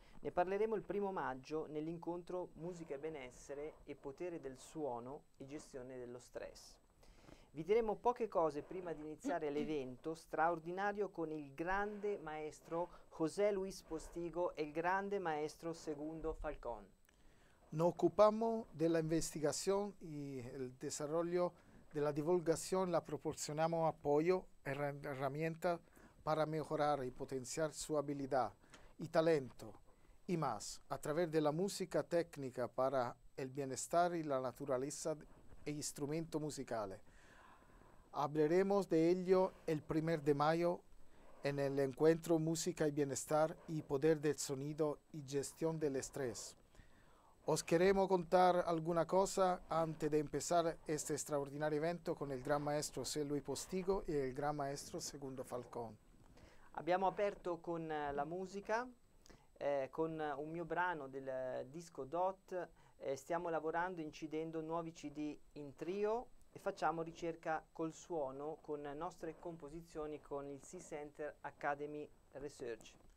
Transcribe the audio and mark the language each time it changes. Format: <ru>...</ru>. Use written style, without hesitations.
<it>Ne parleremo il 1º maggio nell'incontro Musica e Benessere e Potere del Suono e Gestione dello Stress. Vi diremo poche cose prima di iniziare l'evento straordinario con il grande maestro José Luis Postigo e il grande maestro Segundo Falcón.</it> <es>Nos ocupamos de la investigación y el desarrollo de la divulgación, la proporcionamos apoyo, herramientas para mejorar y potenciar su habilidad y talento y más a través de la música técnica para el bienestar y la naturaleza e instrumento musicales. Hablaremos de ello el 1º de mayo en el encuentro Música y Bienestar y Poder del Sonido y Gestión del Estrés. Os queremos contar alguna cosa antes de empezar este extraordinario evento con el gran maestro José Luis Postigo y el gran maestro Segundo Falcón.</es> <it>Abbiamo aperto con la musica, con un mio brano del disco Dot, stiamo lavorando, incidendo nuovi CD in trio e facciamo ricerca col suono, con nostre composizioni con il Sea Center Academy Research.</it>